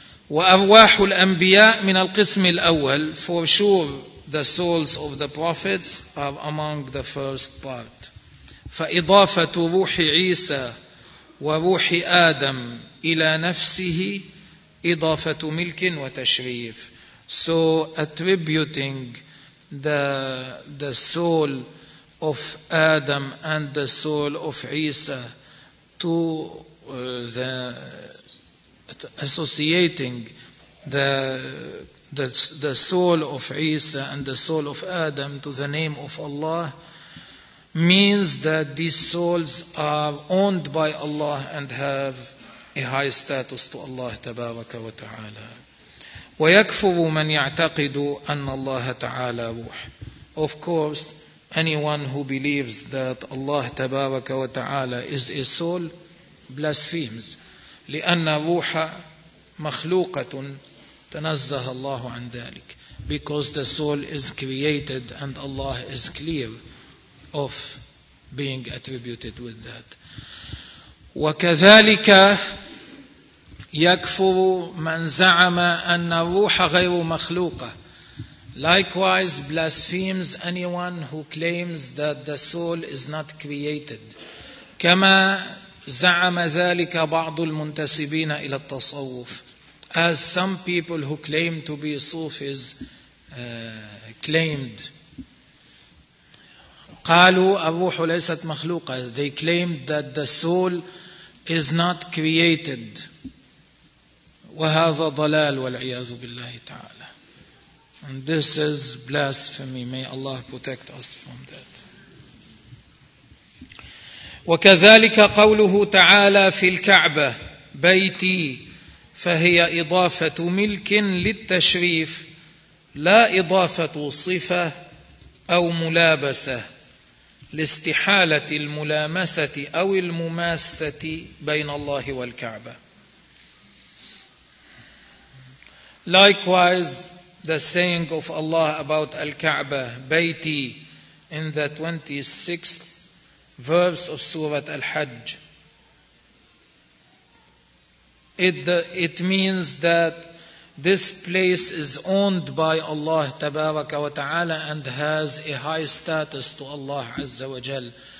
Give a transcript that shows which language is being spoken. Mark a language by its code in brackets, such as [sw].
[ar] وأرواح الأنبياء من القسم الأول. [en] For sure, the souls of the prophets are among the first part. [ar] فإضافة روح عيسى وروح آدم إلى نفسه إضافة ملك وتشريف. [en] So attributing the soul of Adam and the soul of Isa to the associating the soul of Isa and the soul of Adam to the name of Allah means that these souls are owned by Allah and have a high status to Allah [ar] تبارك وتعالى. ويكفر من يعتقد أن الله تعالى روح. [en] Of course, anyone who believes that Allah [ar] تبارك وتعالى [en] is a soul blasphemes. [ar] لأن روح مخلوقة تنزه الله عن ذلك. [en] Because the soul is created and Allah is clear of being attributed with that. [ar] وكذلك يكفر من زعم أن الروح غير مخلوقة. [en] Likewise, blasphemes anyone who claims that the soul is not created. [ar] كما زعم ذلك بعض المنتسبين إلى التصوف. [en] As some people who claim to be Sufis claimed. [ar] قالوا الروح ليست مخلوقة. [en] They claimed that the soul is not created. [ar] وهذا ضلال والعياذ بالله تعالى. [en] And this is blasphemy. May Allah protect us from that. [ar] وكذلك قوله تعالى في الكعبة بيتي فهي إضافة ملك للتشريف لا إضافة صفة أو ملابسة لاستحالة الملامسة أو المماسة بين الله والكعبة. [en] Likewise, the saying of Allah about Al-Ka'bah, Bayti, in the 26th verse of Surah Al-Hajj, it means that this place is owned by Allah Tabaraka wa Ta'ala and has a high status to Allah Azza wa Jal.